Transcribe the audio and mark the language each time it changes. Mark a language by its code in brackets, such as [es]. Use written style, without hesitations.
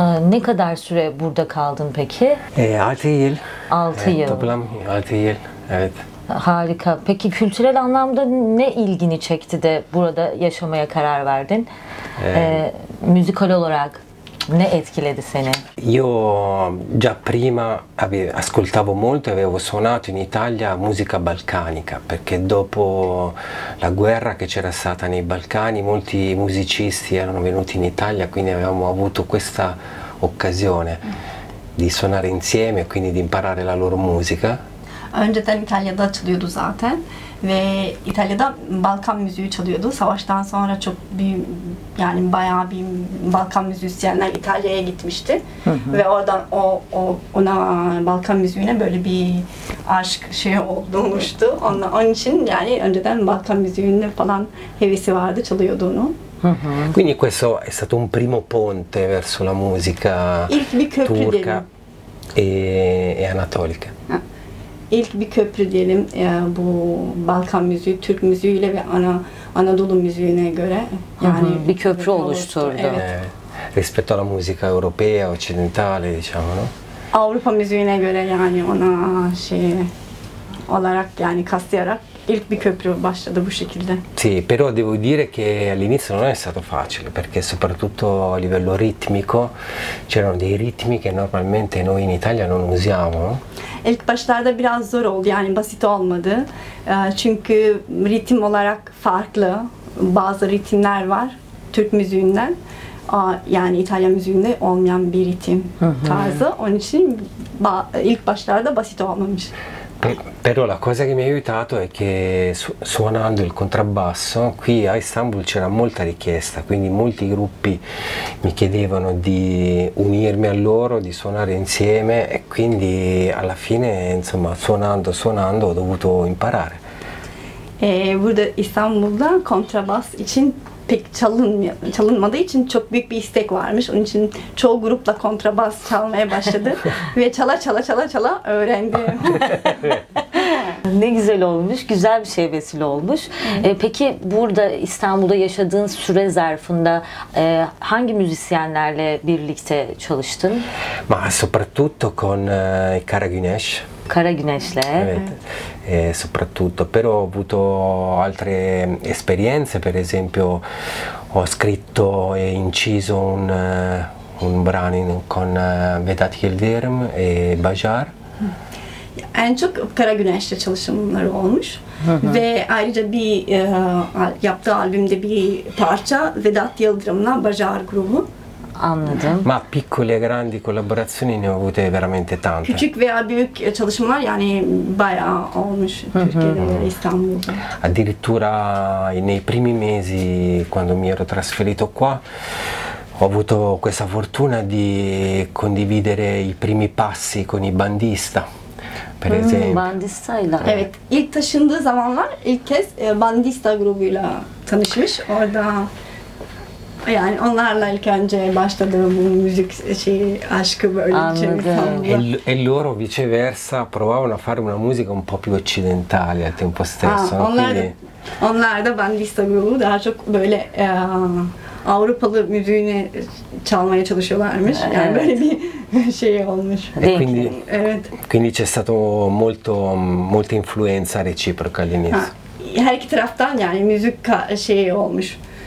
[tr] Ne kadar süre burada kaldın peki? 6 yıl. 6 yıl. Toplam 6 yıl, evet. Harika. Peki kültürel anlamda ne ilgini çekti de burada yaşamaya karar verdin? Müzikal olarak ne etkiledi seni? [it] Io già prima ascoltavo molto, avevo suonato in Italia musica balcanica, perché dopo la guerra che c'era stata nei Balcani, molti musicisti erano venuti in Italia, quindi avevamo avuto questa occasione di suonare insieme e quindi di imparare la loro musica. [tr] Önceden İtalya'da çalıyordu zaten ve İtalya'da Balkan müziği çalıyordu. Savaştan sonra çok bir, yani bayağı bir Balkan müzisyenler İtalya'ya gitmişti. Hı hı. Ve oradan ona Balkan müziğine böyle bir aşk şeyi olmuştu. Onun için yani önceden Balkan müziğine falan hevesi vardı, çalıyordu onu. Hı hı. [it] Quindi questo è stato un primo ponte verso la musica turca e anatolica. [tr] İlk bir köprü diyelim bu Balkan müziği, Türk müziğiyle ve Anadolu müziğine göre. Yani bir köprü oluşturdu. Evet. [it] Rispetto alla musica europea, occidentale, diciamo, no? [tr] Avrupa müziğine göre, yani ona şey olarak, yani kastayarak ilk bir köprü başladı bu şekilde. [it] Sì, però devo dire che all'inizio non è stato facile, perché soprattutto a livello ritmico c'erano dei ritmi che normalmente noi in Italia non usiamo. [tr] İlk başlarda biraz zor oldu, yani basit olmadı. Çünkü ritim olarak farklı bazı ritimler var Türk müziğinden. Yani İtalyan müziğinde olmayan bir ritim tarzı. Onun için ilk başlarda basit olmamış. [it] Però la cosa che mi ha aiutato è che suonando il contrabbasso qui a Istanbul c'era molta richiesta, quindi molti gruppi mi chiedevano di unirmi a loro, di suonare insieme e quindi alla fine, insomma, suonando ho dovuto imparare. [tr] E burada İstanbul'da kontrabas için pek çalınmadığı için çok büyük bir istek varmış. Onun için çoğu grupla kontrabas çalmaya başladı ve çala öğrendi. Ne güzel olmuş, güzel bir şey vesile olmuş. Peki burada İstanbul'da yaşadığın süre zarfında hangi müzisyenlerle birlikte çalıştın? [it] Ma soprattutto con Kara Güneş. [tr] Kara Güneş'le. Evet. [it] Soprattutto, però ho avuto altre esperienze, per esempio ho scritto e inciso un brano con Vedat Yıldırım e Bajar. [tr] En çok Kara Güneş'le çalışmaları olmuş. Hı hı. Ve ayrıca bir yaptığı albümde bir parça Vedat Yıldırım'la Bajar grubu. Anladım. [it] Ma piccole e grandi collaborazioni ne ho avute veramente tante. [tr] Küçük veya büyük çalışmalar, yani bayağı olmuş Türkiye'de, İstanbul'da. [it] Addirittura nei primi mesi quando mi ero trasferito qua ho avuto questa fortuna di condividere i primi passi con i bandista. per esempio. [tr] Bandista ile. Evet, ilk taşındığı zamanlar ilk kez Bandista grubuyla tanışmış. Orada yani onlarla ilk önce başladığı bu müzik şeyi, aşkı böyle. Anladım. [it] E loro viceversa provavano a fare una musica un po' più occidentale al tempo stesso. [tr] Ha, onlar, [it] quindi... [tr] onlar da Bandista grubu daha çok böyle Avrupalı müziğini çalmaya çalışıyorlarmış. Evet. Yani böyle bir şey olmuş. [it] E quindi, [tr] evet. [it] Quindi c'è stato molto molta influenza reciproca all'inizio. Ha, [tr] her iki taraftan yani müzik şeyi olmuş.